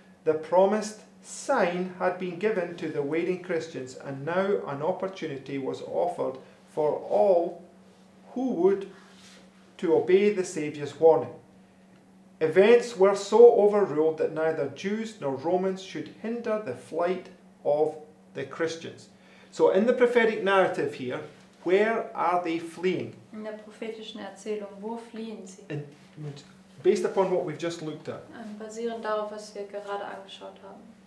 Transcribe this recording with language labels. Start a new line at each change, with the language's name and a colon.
English: The promised sign had been given to the waiting Christians, and now an opportunity was offered for all who would to obey the Saviour's warning. Events were so overruled that neither Jews nor Romans should hinder the flight of the Christians. So in the prophetic narrative here, where are they fleeing?
German: In der prophetischen Erzählung, wo fliehen sie?
English: And based upon what we've just looked at.
German: Basierend darauf, was wir gerade angeschaut haben.